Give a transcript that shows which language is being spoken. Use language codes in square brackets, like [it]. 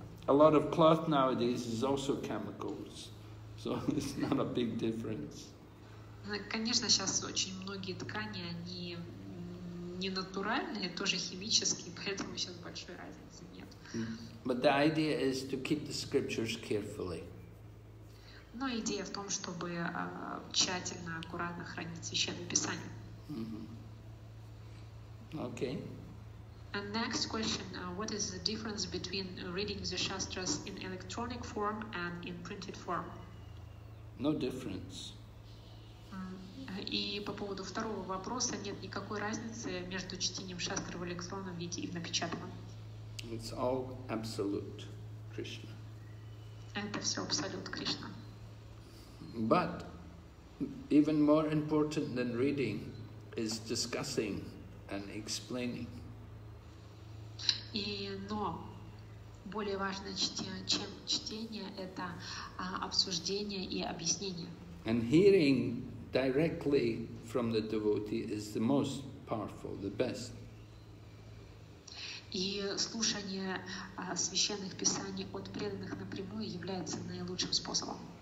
[en] A lot of cloth nowadays is also chemicals, so it's not a big difference. [ru] Конечно, сейчас очень многие ткани, они не натуральные, тоже химические, поэтому сейчас большой разницы нет. [en] But the idea is to keep the scriptures carefully. [ru] Но идея в том, чтобы тщательно, аккуратно хранить Священное Писание. [en] Mm-hmm. Okay. And next question, what is the difference between reading the Shastras in electronic form and in printed form? No difference. [ru] И по поводу второго вопроса, нет никакой разницы между чтением шастры в электронном виде и в напечатанном. [en] It's all absolute, Krishna. [ru] Это все абсолют, Кришна. [en] But even more important than reading is discussing and explaining. [ru] И, но более важно, чем чтение, это обсуждение и объяснение. [en] And hearing directly from the devotee is the most powerful, the best. [ru] И слушание священных писаний от преданных напрямую является наилучшим способом.